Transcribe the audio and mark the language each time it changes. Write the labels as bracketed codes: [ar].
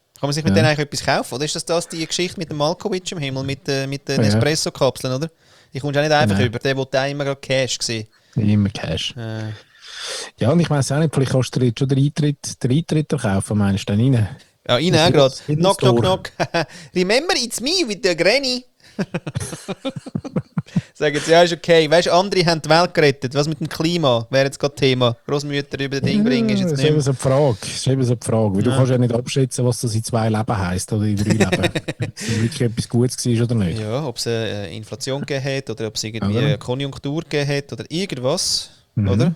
[de] Kann man sich mit denen eigentlich etwas kaufen? Oder ist das die Geschichte mit dem Malkovich im Himmel, mit den Nespresso-Kapseln, oder? Die kommst du auch nicht einfach über. Der, wo der immer gerade Cash gesehen. Immer Cash. Ja, und ich weiß auch nicht, vielleicht kannst du dir schon den Eintritt kaufen, meinst du dann rein? Ja, rein auch gerade. Knock, knock, knock. [en] Remember, it's me with the Granny. [de] Sagen sie, ja, ist okay. Weißt du, andere haben die Welt gerettet. Was mit dem Klima? Wäre jetzt gerade Thema. Grossmütter über das Ding bringen, ist jetzt nicht. Das ist eben so eine Frage. Weil du kannst ja nicht abschätzen, was das in zwei Leben heisst oder in drei Leben. Ob es wirklich etwas Gutes war oder nicht. Ja, ob es Inflation gegeben hat oder ob es irgendwie eine Konjunktur gegeben hat oder irgendwas, oder?